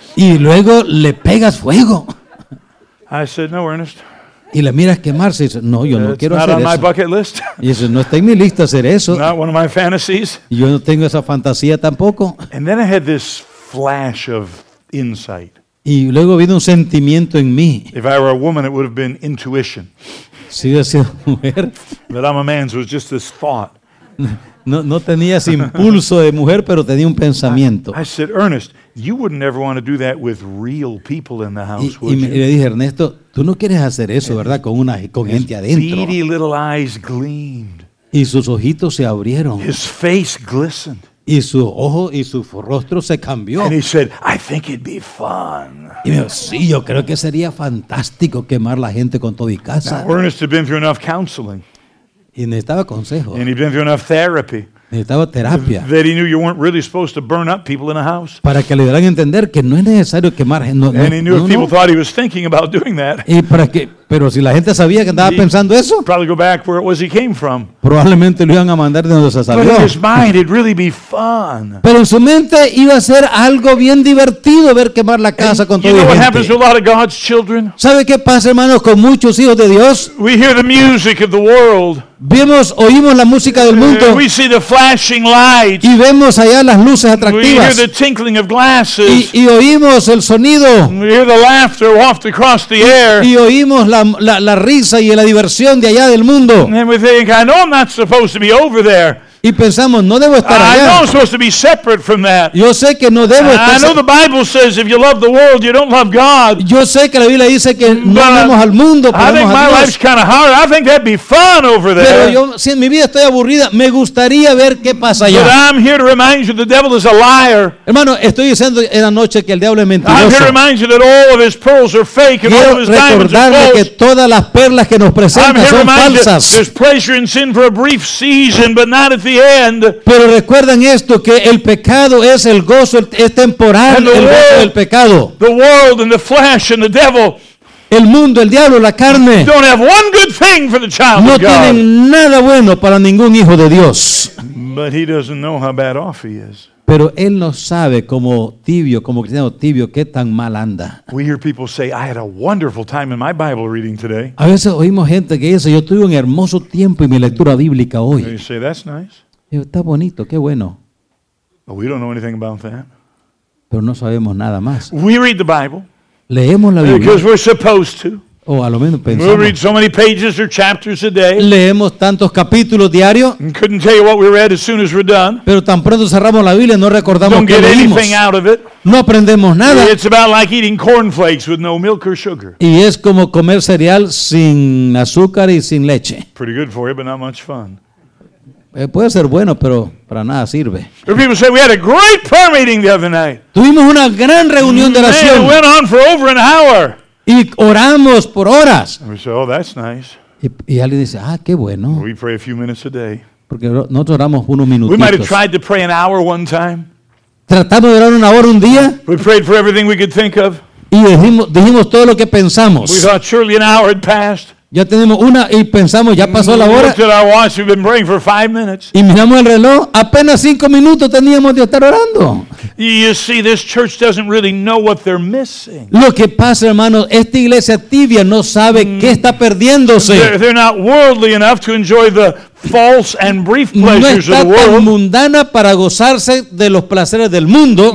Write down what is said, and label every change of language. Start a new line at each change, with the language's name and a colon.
Spanish: Y luego le pegas fuego.
English: I said, no, Ernest.
Spanish: Y la miras quemarse y dice, no, yo no quiero hacer eso.
English: Not on my bucket list.
Spanish: Y dice, no está en mi lista hacer eso.
English: Not one of my fantasies.
Spanish: Yo no tengo esa fantasía tampoco.
English: And then I had this flash of insight.
Spanish: Y luego vino un sentimiento en mí.
English: If I were a woman, it would have been intuition.
Spanish: Si hubiera sido mujer.
English: But I'm a man, so it was just this thought.
Spanish: No tenía ese impulso de mujer, pero tenía un pensamiento.
English: I said, Ernest, you wouldn't ever want to do that with real people in the house, would you?
Spanish: Y le dije, Ernesto, tú no quieres hacer eso, ¿verdad? Con gente adentro.
English: His beady little eyes gleamed.
Spanish: Y sus ojitos se abrieron.
English: His face glistened.
Spanish: Y su ojo y su rostro se cambió.
English: And he said, I think it'd be fun.
Spanish: Y me dijo, sí, yo creo que sería fantástico quemar la gente con todo y casa.
English: Now, Ernest had been through enough counseling.
Spanish: Y necesitaba consejo.
English: And he'd been through enough therapy.
Spanish: Necesitaba terapia.
English: That he knew you weren't really supposed to burn up people in a house.
Spanish: Para que le dieran a entender que no es necesario quemar gente. No,
English: and he knew
Spanish: no,
English: if people thought he was thinking about doing that.
Spanish: Y para que, pero si la gente sabía que andaba pensando eso.
English: Probably go back where it was he came from.
Spanish: Probablemente lo iban a mandar de donde se salió.
English: But in his mind, it'd really be fun.
Spanish: Pero en su mente iba a ser algo bien divertido ver quemar la casa
English: and
Spanish: con todo.
English: You know
Spanish: gente.
English: What happens to a lot of God's children?
Spanish: ¿Sabe qué pasa, hermanos, con muchos hijos de Dios?
English: We hear the music of the world.
Spanish: Vemos, oímos la música del mundo.
English: We see the flashing lights.
Spanish: Y vemos allá las luces atractivas.
English: We hear the tinkling of glasses.
Spanish: Y oímos el sonido.
English: We hear the laughter waft across the air.
Spanish: Y oímos la risa y la diversión de allá del mundo.
English: And we think, I know I'm not supposed to be over there.
Spanish: Y pensamos, no debo estar allá.
English: I know I'm supposed to be separate from that.
Spanish: Yo sé que no debo estar.
English: I know the Bible says if you love the world, you don't love God.
Spanish: Yo sé que la Biblia dice que no amamos al mundo, pero amamos a Dios.
English: I think my life's kind of hard. I think that'd be fun over there.
Spanish: Pero yo, si en mi vida estoy aburrida, me gustaría ver qué pasa allá.
English: But I'm here to remind you the devil is a liar.
Spanish: Hermano, estoy diciendo en la noche que el diablo es mentiroso.
English: I'm here to remind you that all of his pearls are fake and all of his diamonds are false.
Spanish: Quiero recordarle que todas las perlas que nos presenta son falsas.
English: There's pleasure in sin for a brief season, but not at the end.
Spanish: Pero recuerden esto que el pecado es el gozo es temporal el gozo del pecado.
English: The world and the flesh and the devil.
Spanish: El mundo, el diablo, la carne.
English: Don't have one good thing for the child.
Spanish: No tienen nada bueno para ningún hijo de Dios.
English: But he doesn't know how bad off he is.
Spanish: Pero él no sabe como cristiano tibio qué tan mal anda.
English: We hear people say, I had a wonderful time in my Bible reading today.
Spanish: A veces oímos gente que dice, yo tuve un hermoso tiempo en mi lectura bíblica hoy.
English: And you say, that's nice.
Spanish: Y yo, está bonito, qué bueno.
English: But we don't know anything about that.
Spanish: Pero no sabemos nada más.
English: We read the Bible.
Spanish: Leemos la Biblia.
English: Because we're supposed to.
Spanish: O a lo menos pensamos.
English: We'll read so many pages or chapters a day.
Spanish: Leemos tantos capítulos diarios.
English: And couldn't tell you what we read as soon as we're done.
Spanish: Pero tan pronto cerramos la Biblia no recordamos qué leímos.
English: Don't get anything out of it.
Spanish: No aprendemos nada.
English: It's about like eating cornflakes with no milk or sugar.
Spanish: Y es como comer cereal sin azúcar y sin leche.
English: Pretty good for you, but not much fun.
Spanish: Puede ser bueno, pero para nada sirve.
English: People say we had a great prayer meeting the other night.
Spanish: Tuvimos una gran reunión de oración.
English: It went on for over an hour.
Spanish: Y oramos por horas.
English: And we say, oh, that's nice.
Spanish: Y alguien dice, ah, qué bueno.
English: We pray a few minutes a day.
Spanish: Porque nosotros oramos unos minutitos.
English: We might have tried to pray an hour one time.
Spanish: Tratamos de orar una hora un día.
English: We prayed for everything we could think of.
Spanish: Y dijimos todo lo que pensamos.
English: We thought surely an hour had passed.
Spanish: Ya tenemos una y pensamos, ya pasó la hora.
English: We looked at our watch, we've been praying for 5 minutes.
Spanish: Y miramos el reloj, apenas 5 minutos teníamos de estar orando.
English: You see, this church doesn't really know what they're missing.
Spanish: Lo que pasa, hermanos, esta iglesia tibia no sabe qué está perdiéndose.
English: They're not worldly enough to enjoy the false and brief pleasures
Spanish: no
English: of the world.
Spanish: Tan mundana para gozarse de los placeres del mundo.